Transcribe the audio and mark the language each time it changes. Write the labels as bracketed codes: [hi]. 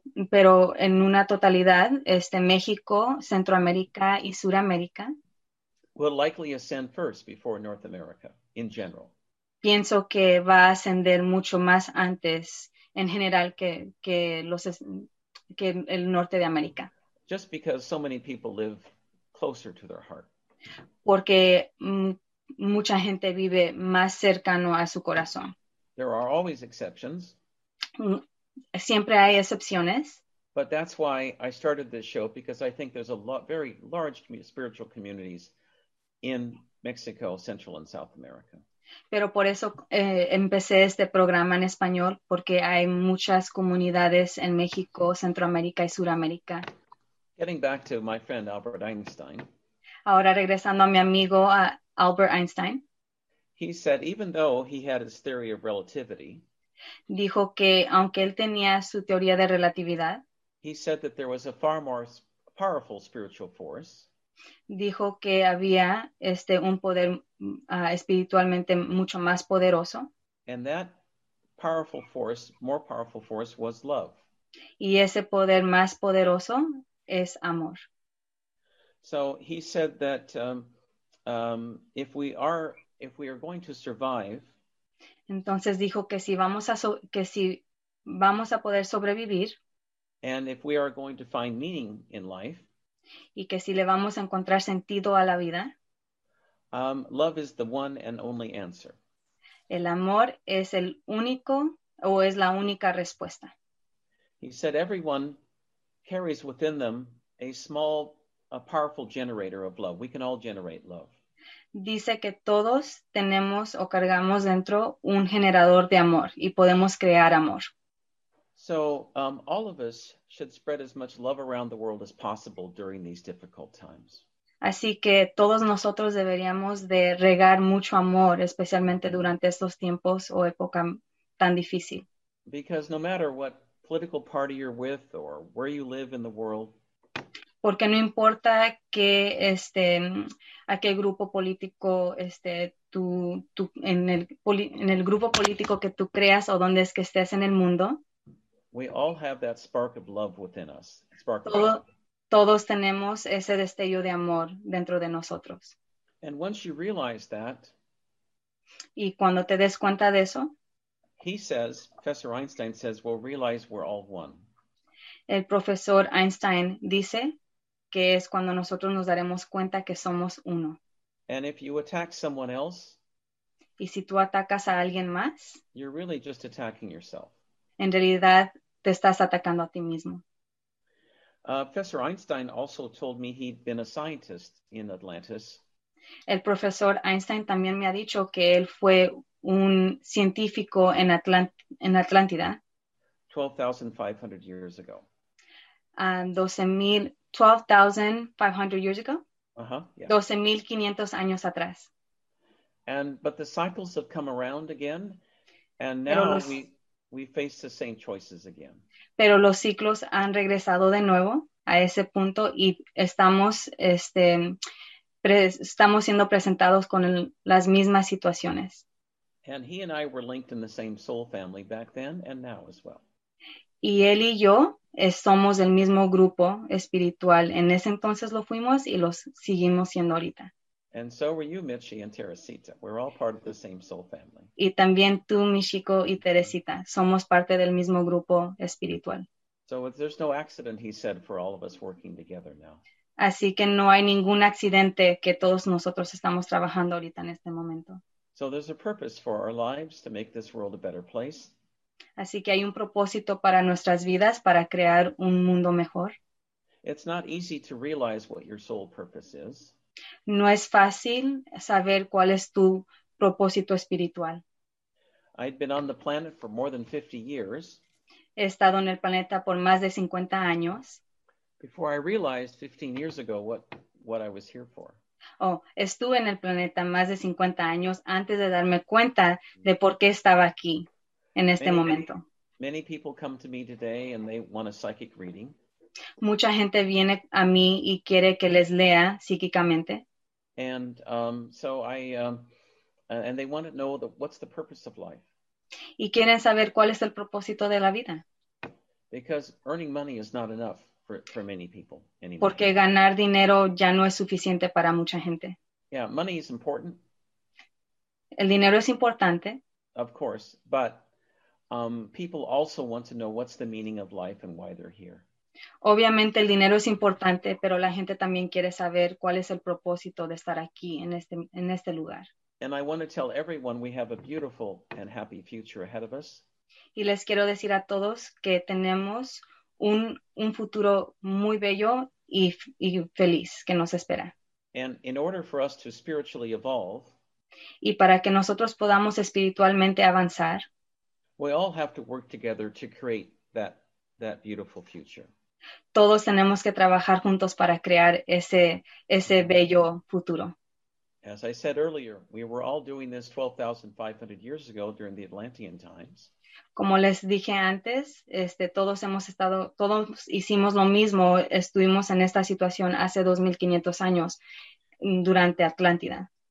[es] Pero en una totalidad, México, Centroamérica y Sudamérica. [en] Will likely ascend first before North America, in general. [es] Pienso que va a ascender mucho más antes, en general, que el norte de América. [en] Just because so many people live closer to their heart. [es] Porque mucha gente vive más cercano a su corazón. [en] There are always exceptions. [es] Siempre hay excepciones. [en] But that's why I started this show, because I think there's a lot, very large spiritual communities in Mexico, Central and South America. [es] Pero por eso empecé este programa en español, porque hay muchas comunidades en México, Centroamérica y Sudamérica. [en] Getting back to my friend Albert Einstein. [es] Ahora regresando a mi amigo Albert Einstein. [en] He said, even though he had his theory of relativity. [es] Dijo que aunque él tenía su teoría de relatividad. [en] He said that there was a far more powerful spiritual force. [es] Dijo que había un poder espiritualmente mucho más poderoso. [en] And that powerful force, more powerful force, was love. [es] Y ese poder más poderoso es amor. [en] So he said that if we are going to survive. [es] Entonces dijo que si vamos a poder sobrevivir. [en] And if we are going to find meaning in life. [es] Y que si le vamos a encontrar sentido a la vida. [en] Love is the one and only answer. [es] El amor es el único o es la única respuesta. [en] He said everyone carries within them a powerful generator of love. We can all generate love. [es] Dice que todos tenemos o cargamos dentro un generador de amor y podemos crear amor. [en] So all of us should spread as much love around the world as possible during these difficult times. [es] Así que todos nosotros deberíamos de regar mucho amor, especialmente durante estos tiempos o época tan difícil. [en] Because no matter what political party you're with or where you live in the world, [es] porque no importa que a qué grupo político en el grupo político que tú creas o donde es que estés en el mundo. [en] We all have that spark of love within us. [es] Todos tenemos ese destello de amor dentro de nosotros. [en] And once you realize that, [es] Y cuando te des cuenta de eso, [en] he says, Professor Einstein says, we'll realize we're all one. [es] El profesor Einstein dice que es cuando nosotros nos daremos cuenta que somos uno. [en] And if you attack someone else, [es] y si tú atacas a alguien más, [en] you're really just attacking yourself. [es] En realidad, te estás atacando a ti mismo. [en] Professor Einstein also told me he'd been a scientist in Atlantis. [es] El profesor Einstein también me ha dicho que él fue un científico en Atlántida. [en] 12,500 years ago. 12,500 years ago? Uh-huh, yeah. [es] 12,500 años atrás. [en] But the cycles have come around again, and now we face the same choices again. [es] Pero los ciclos han regresado de nuevo a ese punto y estamos, estamos siendo presentados con las mismas situaciones. [en] And he and I were linked in the same soul family back then and now as well. [es] Y él y yo somos el mismo grupo espiritual. En ese entonces lo fuimos y lo seguimos siendo ahorita. [en] And so were you, Michi and Teresita. We're all part of the same soul family. [es] Y también tú, Michiko y Teresita, somos parte del mismo grupo espiritual. [en] So there's no accident, he said, for all of us working together now. [es] Así que no hay ningún accidente que todos nosotros estamos trabajando ahorita en este momento. [en] So there's a purpose for our lives to make this world a better place. [es] Así que hay un propósito para nuestras vidas para crear un mundo mejor. [en] It's not easy to realize what your soul purpose is. [es] No es fácil saber cuál es tu propósito espiritual. [en] I'd been on the planet for more than 50 years. [es] He estado en el planeta por más de 50 años. [en] Before I realized 15 years ago what I was here for. [es] Oh, estuve en el planeta más de 50 años antes de darme cuenta de por qué estaba aquí en este momento. [en] Many people come to me today and they want a psychic reading. [es] Mucha gente viene a mí y quiere que les lea psíquicamente. [en] And and they want to know what's the purpose of life. [es] Y quieren saber cuál es el propósito de la vida. [en] Because earning money is not enough for many people anymore. [es] Porque ganar dinero ya no es suficiente para mucha gente. [en] Yeah, money is important. [es] El dinero es importante. [en] Of course, but people also want to know what's the meaning of life and why they're here. [es] Obviamente el dinero es importante, pero la gente también quiere saber cuál es el propósito de estar aquí en este lugar. [en] And I want to tell everyone we have a beautiful and happy future ahead of us. [es] Y les quiero decir a todos que tenemos un futuro muy bello y feliz que nos espera. [en] And in order for us to spiritually evolve, [es] y para que nosotros podamos espiritualmente avanzar, [en] we all have to work together to create that beautiful future. [es] Todos tenemos que trabajar juntos para crear ese bello futuro. [en] As I said earlier, we were all doing this 12,500 years ago during the Atlantean times. [es] Como les dije antes, todos hicimos lo mismo, estuvimos en esta situación hace 2,500 años durante Atlántida.